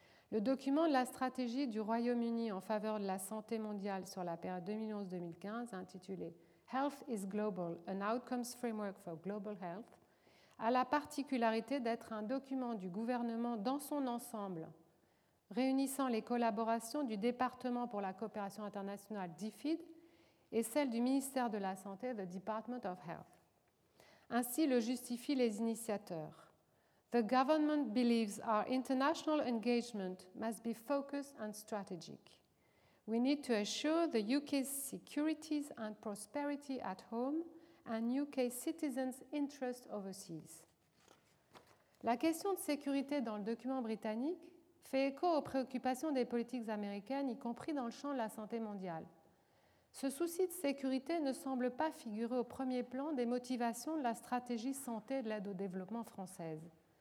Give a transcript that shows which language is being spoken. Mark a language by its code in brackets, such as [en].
[fr] Le document de la stratégie du Royaume-Uni en faveur de la santé mondiale sur la période 2011-2015, intitulé « [en] Health is Global, an Outcomes Framework for Global Health [fr] », a la particularité d'être un document du gouvernement dans son ensemble, réunissant les collaborations du Département pour la coopération internationale, DFID, et celle du ministère de la Santé, the Department of Health. Ainsi le justifient les initiateurs. [en] The government believes our international engagement must be focused and strategic. We need to assure the UK's security and prosperity at home and UK citizens' interests overseas. [fr] La question de sécurité dans le document britannique fait écho aux préoccupations des politiques américaines, y compris dans le champ de la santé mondiale. Ce souci de sécurité ne semble pas figurer au premier plan des motivations de la stratégie santé de l'aide au développement française.